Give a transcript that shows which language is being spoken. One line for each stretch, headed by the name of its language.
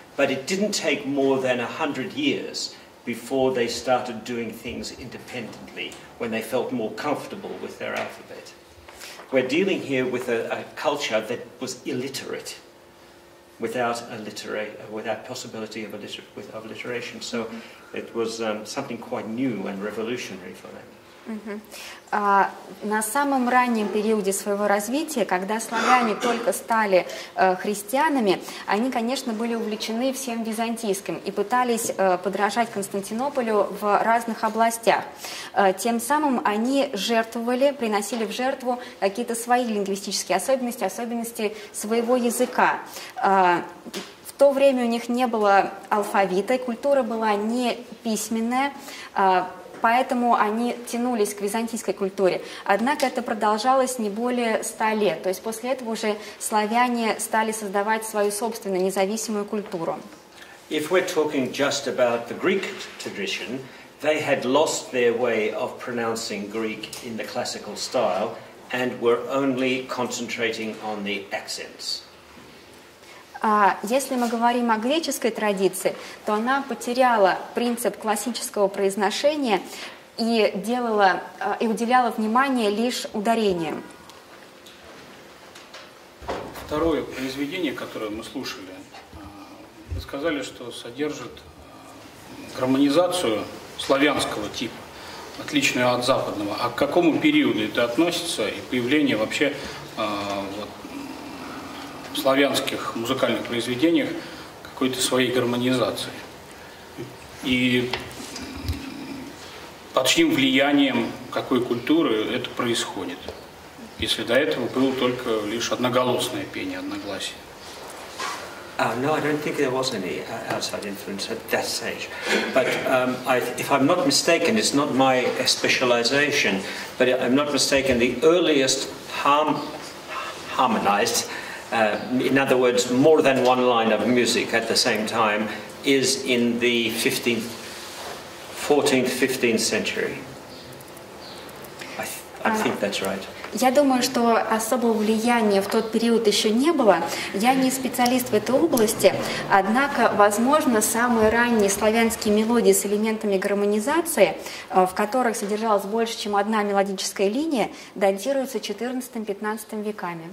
English: But it didn't take more than 100 years before they started doing things independently, when they felt more comfortable with their alphabet. We're dealing here with a culture that was illiterate, without possibility of alliteration. So mm-hmm. it was something quite new and revolutionary for them.
Russian: На самом раннем периоде своего развития, когда славяне только стали христианами, они, конечно, были увлечены всем византийским и пытались подражать Константинополю в разных областях. Тем самым они жертвовали, приносили в жертву какие-то свои лингвистические особенности, особенности своего языка. В то время у них не было алфавита, культура была не письменная, поэтому они тянулись к византийской культуре. Однако это продолжалось не более 100 лет. То есть после этого уже славяне стали создавать свою собственную независимую культуру.
English: If we're talking just about the Greek tradition, they had lost their way of pronouncing Greek in the classical style and were only concentrating on the accents.
Russian: Если мы говорим о греческой традиции, то она потеряла принцип классического произношения и делала, и уделяла внимание лишь ударениям. Второе произведение, которое мы слушали, вы сказали, что содержит гармонизацию славянского типа, отличную от западного. А к какому периоду это относится и появление вообще в славянских музыкальных произведениях какой-то своей гармонизации и под чьим влиянием какой культуры это происходит, если до этого было только лишь одноголосное пение, одногласие.
English: No, I don't think there was any outside influence at that stage. But if I'm not mistaken, it's not my specialization, but if I'm not mistaken, the earliest harmonized, in other words, more than one line of music at the same time, is in the 14th-15th century. I think that's right.
Russian: Я думаю, что особого влияния в тот период еще не было. Я не специалист в этой области, однако, возможно, самые ранние славянские мелодии с элементами гармонизации, в которых содержалась больше, чем одна мелодическая линия, датируются 14-15 веками.